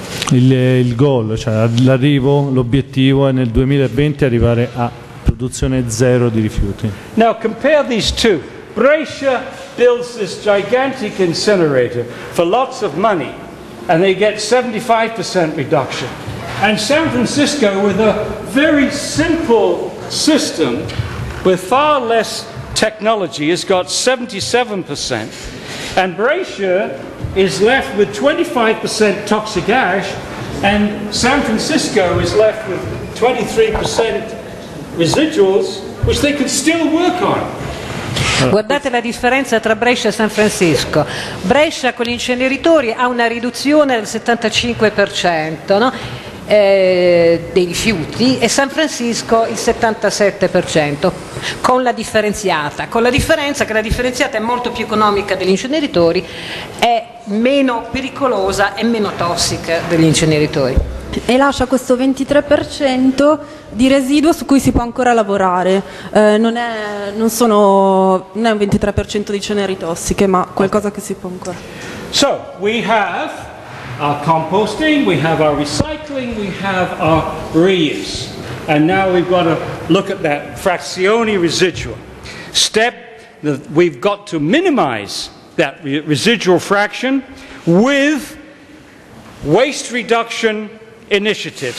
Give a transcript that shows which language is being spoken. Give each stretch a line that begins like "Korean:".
Italian: Il goal, cioè l'arrivo, l'obiettivo è nel 2020 arrivare a produzione zero di rifiuti.
English: Now compare these two. Brescia builds this gigantic incinerator for lots of money and they get 75% reduction. And San Francisco, with a very simple system with far less technology, has got 77%, and Brescia is left with 25% toxic ash, and San Francisco is left with 23% residuals, which they could still work on.
Italian: Guardate la differenza tra Brescia e San Francisco. Brescia con gli inceneritori ha una riduzione del 75%, no? Dei rifiuti, e San Francisco il 77% con la differenziata, con la differenza che la differenziata è molto più economica degli inceneritori, è meno pericolosa e meno tossica degli inceneritori e lascia questo 23% di residuo su cui si può ancora lavorare. Non è un 23% di ceneri tossiche, ma qualcosa che si può ancora.
English: So we have our composting, we have our recycling, we have our reuse. And now we've got to look at that
Italian: frazione residua.
English: step, we've got to minimize that residual fraction with waste reduction initiatives.